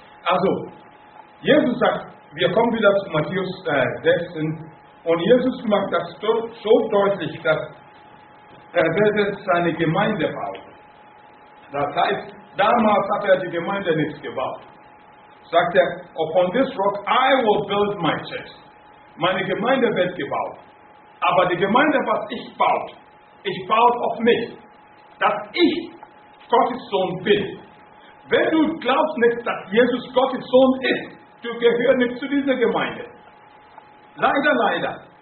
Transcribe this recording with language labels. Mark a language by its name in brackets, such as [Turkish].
[German] Also, Jesus sagt, wir kommen wieder zu Matthäus 16. Und Jesus macht das so deutlich, dass er jetzt seine Gemeinde baut. Das heißt, damals hat er die Gemeinde nicht gebaut. Sagt er, [English] upon this rock I will build my church. [German] Meine Gemeinde wird gebaut. Aber die Gemeinde, was ich baue auf mich, dass ich Gottes Sohn bin. Wenn du glaubst nicht, dass Jesus Gottes Sohn ist, du gehörst nicht zu dieser Gemeinde. Leider, leider.